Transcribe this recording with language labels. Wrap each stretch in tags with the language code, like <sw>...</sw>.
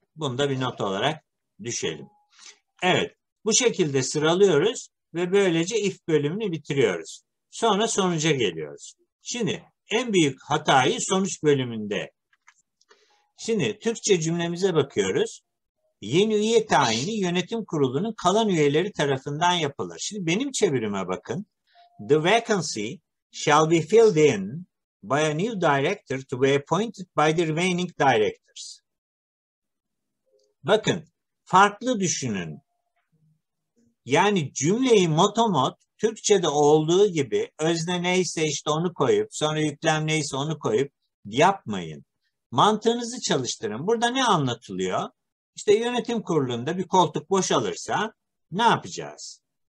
<tr>Bunu da bir not olarak düşelim. Evet, bu şekilde sıralıyoruz ve böylece if bölümünü bitiriyoruz. Sonra sonuca geliyoruz. Şimdi en büyük hatayı sonuç bölümünde. Şimdi Türkçe cümlemize bakıyoruz. Yeni üye tayini yönetim kurulunun kalan üyeleri tarafından yapılır. Şimdi benim çevirime bakın.</tr> <en>The vacancy shall be filled in by a new director to be appointed by the remaining directors.</en> <tr>Bakın, farklı düşünün. Yani cümleyi motomot Türkçe'de olduğu gibi özne neyse işte onu koyup, sonra yüklem neyse onu koyup yapmayın. mantığınızı çalıştırın. Burada ne anlatılıyor? İşte yönetim kurulunda bir koltuk boşalırsa ne yapacağız?</tr>